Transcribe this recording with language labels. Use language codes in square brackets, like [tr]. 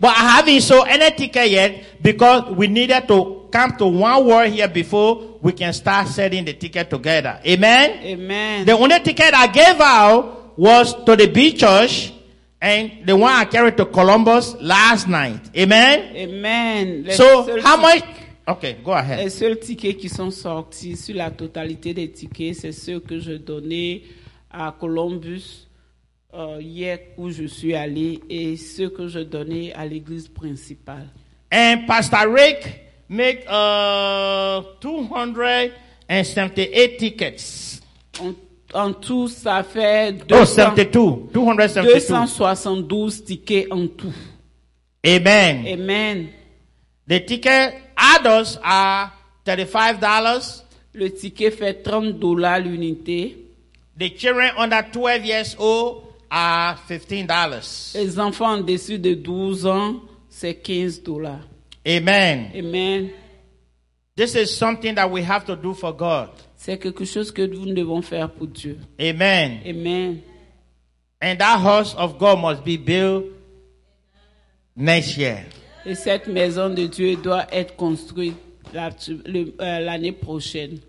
[en] But I haven't sold any ticket yet because we needed to come to one word here before we can start selling the ticket together. Amen? Amen. The only ticket I gave out was to the B church. And the one I carried to Columbus last night. Amen? Amen. So, how much? Okay, go ahead. [fr] Les seuls tickets qui sont sortis sur la totalité des tickets, c'est ceux que je donnais à Columbus hier où je suis allé et ceux que je donnais à l'église principale. [en] And Pastor Rick make 278 tickets. [fr] En tout, ça fait 272 tickets en tout. [en] Amen. [fr] Amen. [en] The ticket adults are $35. [fr] Le ticket fait $30 l'unité. [en] The children under 12 years old are $15. [fr] Les enfants en dessous de 12 ans, c'est $15. [en] Amen. [fr] Amen. [en] This is something that we have to do for God. [fr] C'est quelque chose que nous devons faire pour Dieu. [en] Amen. [fr] Amen. [en] And that house of God must be built next year. [fr] Et cette maison de Dieu doit être construite l'année prochaine.